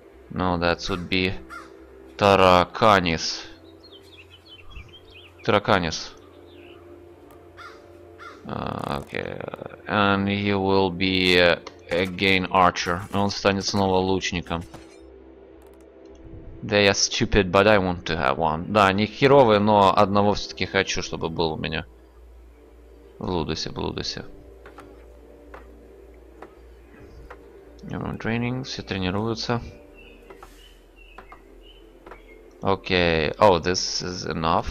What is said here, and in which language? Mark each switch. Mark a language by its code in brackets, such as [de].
[en] No, that would be Тараканис. Тараканис. Окей. And he will be again archer. [ru] Он станет снова лучником. [en] They are stupid, but I want to have one. [ru] Да, они херовые, но одного все-таки хочу, чтобы был у меня. В Лудосе, в Лудосе. [en] Neuron training, [ru] все тренируются. [en] Окей, okay. Oh, this is enough.